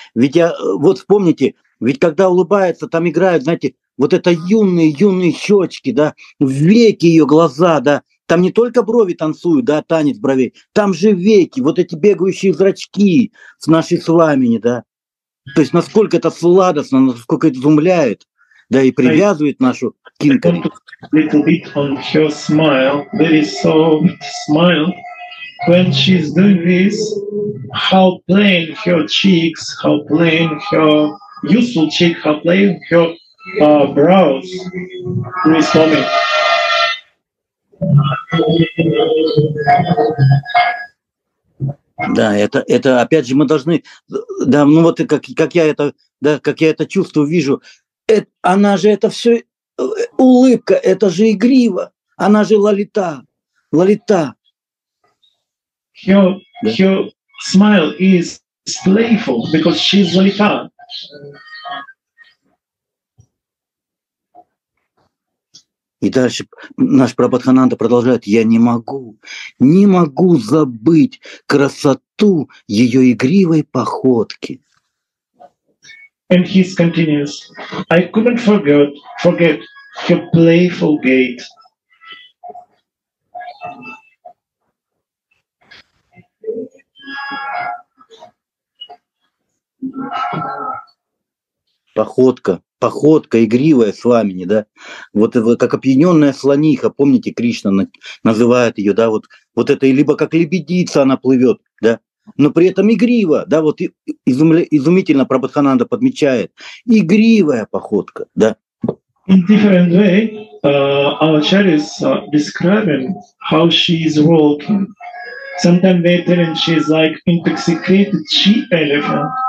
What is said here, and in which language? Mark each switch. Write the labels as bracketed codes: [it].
[ru] Ведь я, вот вспомните, ведь когда улыбается, там играют, знаете, вот это юные щечки, да, веки ее глаза, да, там не только брови танцуют, да, танец бровей, там же веки, вот эти бегающие зрачки с нашей Свамини, да. То есть насколько это сладостно, насколько это изумляет, да, и привязывает нашу кинкари. [en] Little bit on her smile, very soft smile. When she's doing this, how plain her cheeks, how plain her useful cheek, how plain her brows. Please tell me. [ru] Да, это опять же мы должны, да, ну вот как я это, да, как я это чувствую, вижу. Это, она же это все улыбка, это же игриво, она же Лолита, Лолита. [en] Her smile is playful because she's Lalita. [ru] И дальше наш Прабхатхананда продолжает: я не могу забыть красоту ее игривой походки. [en] And he continues, I couldn't forget her playful gait. [ru] Походка игривая Свамини, да, вот как опьяненная слониха, помните, Кришна называет ее, да, вот это, либо как лебедица она плывет, да, но при этом игриво, да, вот изумительно Прабхатхананда подмечает, игривая походка, да. [en] In different way, our Acharyas describing how she is walking. Sometimes they tell him she's like intoxicated she elephant.